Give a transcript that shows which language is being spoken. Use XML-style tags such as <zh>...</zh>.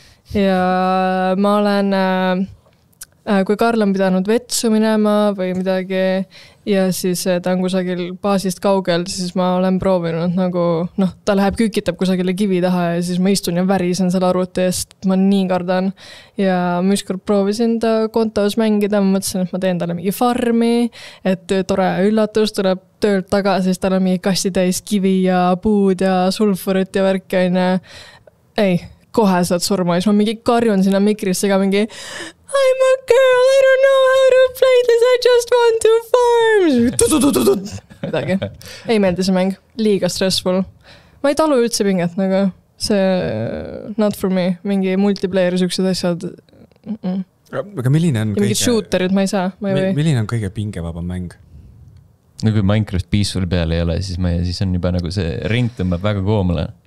<et>Ja ma olen, kui Karl on pidanud vetsu minema või midagi ja siis ta on kusagil baasist kaugel, siis ma olen proovinud nagu, noh, ta läheb kükitab kusagile kivi taha ja siis ma istun ja värisen selle arvuti eest, ma nii kardan. Ja ma ükskord proovisin ta kontos mängida, ma mõtlesin, et ma teen talle mingi farmi, et tore üllatus tuleb töölt tagasi, siis tal on mingi kastitäis kivi ja puud ja sulfurit ja värkeine. Ei, kohe saad surma, siis ma mingi karjun sinna mikrisse ka mingi</et> <en>I'm a girl, I don't know how to play this, I just want to farm.</en> <et>Midagi. Ei meeldi see mäng, liiga stressful. Ma ei talu üldse pinget, aga see</et> <en>not for me,</en> <et>mingi multiplayer süksed asjad. Aga milline on ja kõige... shooterid ma ei saa. Ma ei või. Milline on kõige pingevabam mäng? No kui Minecraft Peaceful peal ei ole, siis, ma, siis on juba nagu see ring tõmbab väga koomale.</et>